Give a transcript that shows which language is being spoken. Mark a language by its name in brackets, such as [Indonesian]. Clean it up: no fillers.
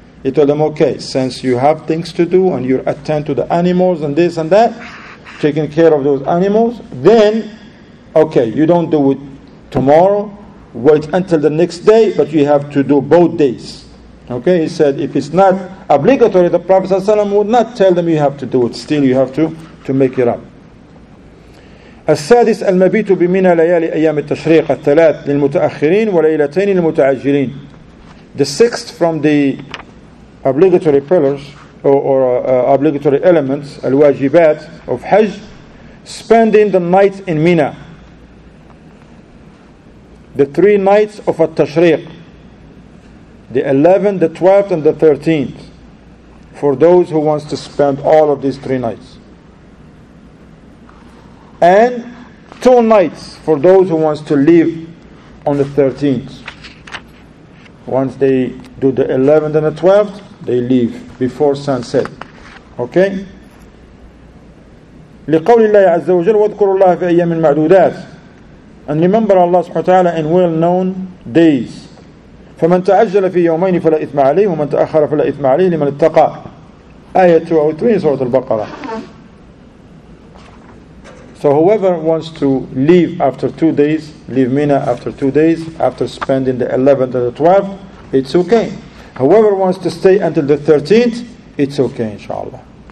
[English] He told them, okay, since you have things to do and you attend to the animals and this and that, taking care of those animals, then, okay, you don't do it tomorrow, wait until the next day, but you have to do both days. Okay? He said, if it's not obligatory, the Prophet ﷺ would not tell them you have to do it. Still, you have to make it up. [Arabic] السادس المبيت بمنى ليالي أيام التشريق الثلاث للمتأخرين وليلتين للمتعجلين. [English] The sixth from the obligatory pillars or obligatory elements, الواجبات of Hajj, spending the night in Mina. The three nights of التشريق, the 11th, the 12th, and the 13th, for those who wants to spend all of these three nights. And 2 nights for those who wants to leave on the 13th. Once they do the 11th and the 12th, they leave before sunset. Okay? [Arabic] لقول الله عز وجل واذكروا الله في أيام معدودات. [English] And remember Allah subhanahu wa ta'ala in well-known days. [Arabic] فمن تعجل في يومين فلا إثم عليه ومن تأخر فلا إثم عليه لمن اتقى. [English] Ayah 203 in Surah Al-Baqarah. So whoever wants to leave after 2 days, leave Mina after 2 days, after spending the 11th and the 12th, it's okay. Whoever wants to stay until the 13th, it's okay, inshallah.